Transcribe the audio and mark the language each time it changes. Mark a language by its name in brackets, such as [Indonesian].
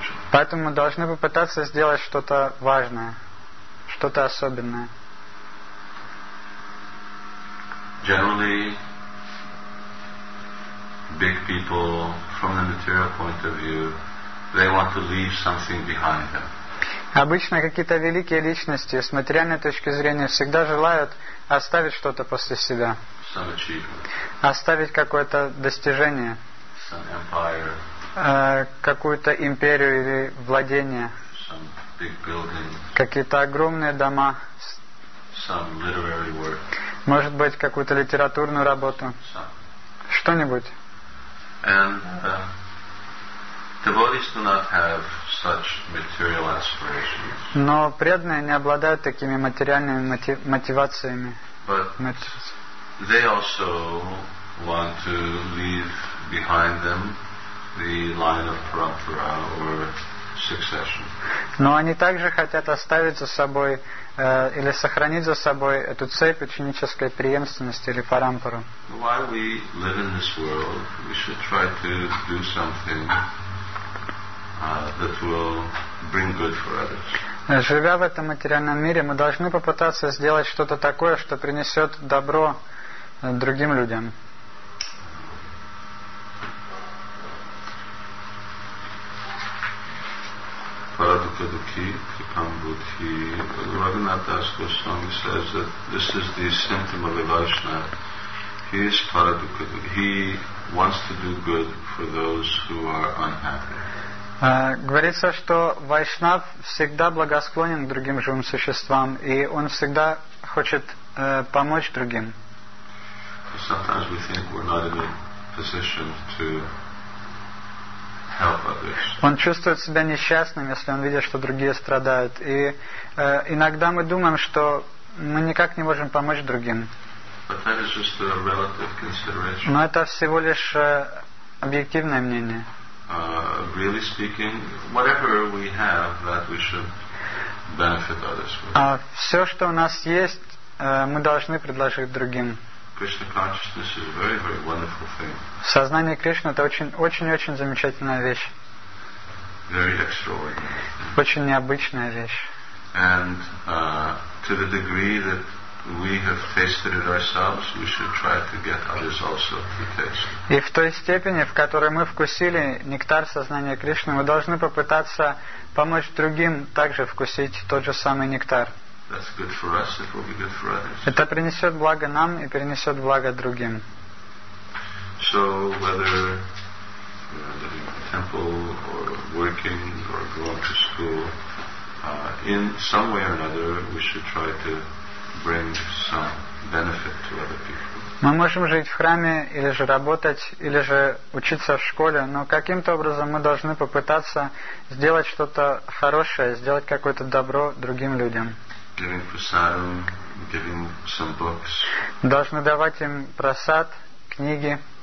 [Russian] Поэтому мы должны попытаться сделать что-то важное, что-то особенное. [English] Generally, big people, from the material point of view, they want to leave something behind them. [Russian] Обычно какие-то великие личности с материальной точки зрения всегда желают оставить что-то после себя. [English] Some achievement. [Russian] Оставить какое-то достижение. [English] Some empire. [Russian] Какую-то империю или владение. [English] Some big building. [Russian] Какие-то огромные дома. [English] Some literary work. [Russian] Может быть, какую-то литературную работу. [English] Some. [Russian] Что-нибудь. [English] And, devotees do not have such material aspirations. [Russian] Но преданные не обладают такими материальными мотивациями. [English] But they also want to leave behind them the line of parampara or succession. [Russian] Но они также хотят оставить за собой или сохранить за собой эту цепь ученической преемственности или парампару. [English] While we live in this world, we should try to do something that will bring good for others. [Russian] Живя в этом материальном мире, мы должны попытаться сделать что-то такое, что принесет добро другим людям. [Sanskrit] Парадукадуки, Крипамбудхи, [English] Рагнатас Госвами says that this is the symptom of a Vaishnava. He is Парадукадуки. He wants to do good for those who are unhappy. [Russian] Говорится, что Вайшнав всегда благосклонен к другим живым существам, и он всегда хочет помочь другим. [English] Sometimes we think we're not in a position to help others. [Russian] Он чувствует себя несчастным, если он видит, что другие страдают. И иногда мы думаем, что мы никак не можем помочь другим. [English] But that is just a relative consideration. [Russian] Но это всего лишь объективное мнение. [English] Really speaking, whatever we have, that we should benefit others with. [Russian] Все, что у нас есть, мы должны предложить другим. [English] Krishna consciousness is a very, very wonderful thing. [Russian] Сознание Кришны — это очень-очень замечательная вещь. [English] Very extraordinary. [Russian] Очень необычная вещь. [English] And to the degree that we have tasted it ourselves, we should try to get others also to taste. [Russian] И в той степени, в которой мы вкусили нектар сознания Кришны, мы должны попытаться помочь другим также вкусить тот же самый нектар. [English] That's good for us, it will be good for others. [Russian] Это принесет благо нам и принесет благо другим. [English] So whether we're living in a temple or working or going to school, in some way or another we should try to bring some benefit to other people. [Russian] Мы можем жить в храме, или же работать, или же учиться в школе, но каким-то образом мы должны попытаться сделать что-то хорошее, сделать какое-то добро другим людям. [English] Giving prasadam, giving some books. [Russian] Должны давать им прасад, книги.